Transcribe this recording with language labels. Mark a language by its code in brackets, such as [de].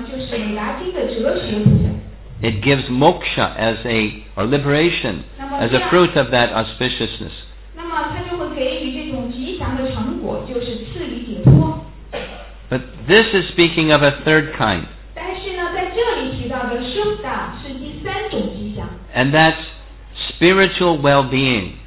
[zh] 例如研习维丹特苏者，那么就是来听的哲学部分. [en] It gives moksha as a or liberation as a fruit of that auspiciousness. [zh] 那么它就会给予这种吉祥的成果，就是赐予解脱. [en] But this is speaking of a third kind. [zh] 但是呢，在这里提到的苏达是第三种吉祥. [en] And that's spiritual well-being.